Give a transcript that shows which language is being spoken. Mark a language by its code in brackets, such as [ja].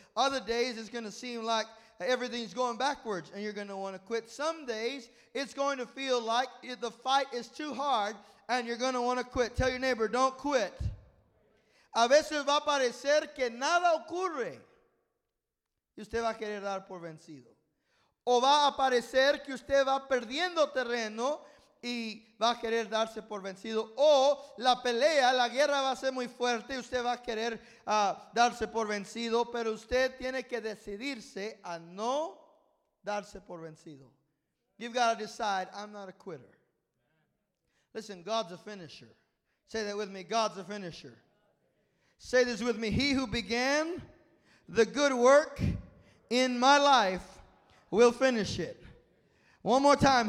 [en] Other days it's going to seem like everything's going backwards and you're going to want to quit. Some days it's going to feel like the fight is too hard and you're going to want to quit. Tell your neighbor, don't quit. [es] A veces va a parecer que nada ocurre y usted va a querer dar por vencido. O va a parecer que usted va perdiendo terreno y va a querer darse por vencido. O la pelea, la guerra va a ser muy fuerte y usted va a querer darse por vencido. Pero usted tiene que decidirse a no darse por vencido. [en] You've got to decide, I'm not a quitter. Listen, God's a finisher. Say that with me, God's a finisher. Say this with me. He who began the good work in my life will finish it. One more time.